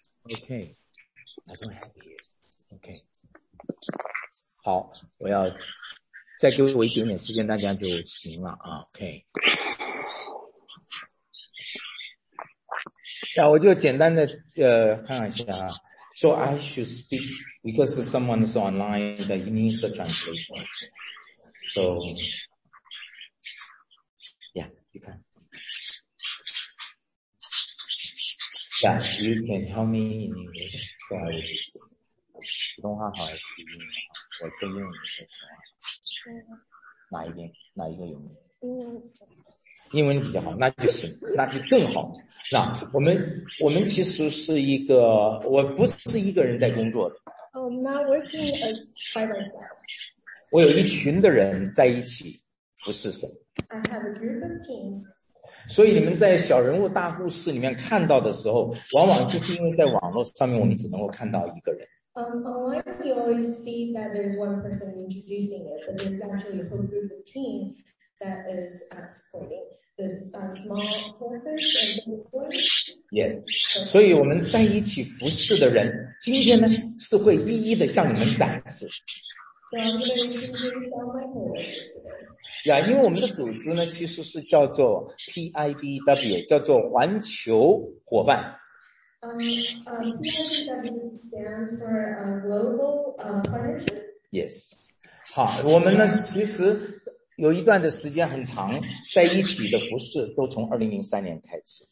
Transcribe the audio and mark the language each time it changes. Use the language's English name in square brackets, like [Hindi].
[English] Okay, I don't have it. Okay. [Chinese] 好，我要再给我一点点时间，大家就行了啊。OK， 那我就简单的看一下啊。 [English] So I should speak because someone is online that you need the translation. So, yeah, you can. Yeah, you can help me in English. So I will just. [Chinese] 普通话好还是英语好？我是英语的。哪一边？哪一个有没有？英文比较好，那就行，那就更好。那我们其实是一个，我不是一个人在工作的。 [English] I'm not working as by myself. [Chinese] 我有一群的人在一起服侍神。 [English] I have a group of teams. [Chinese] 所以你们在小人物大故事里面看到的时候，往往就是因为在网络上面，我们只能够看到一个人。 [English] Online, we always see that there's one person introducing it, but there's actually a whole group of team that is supporting this small corpus and this one. Yes. [Chinese] So, 我们在一起服侍的人，今天呢是会一一的向你们展示。 [English] So, I'm going to introduce all my boys today. [Chinese] 呀，因为我们的组织呢，其实是叫做 PIDW， 叫做环球伙伴。 [English] PIDW stands for Global Partnership. Yes. [Chinese] 好，我们呢其实有一段的时间很长在一起的服饰都从2003年开始。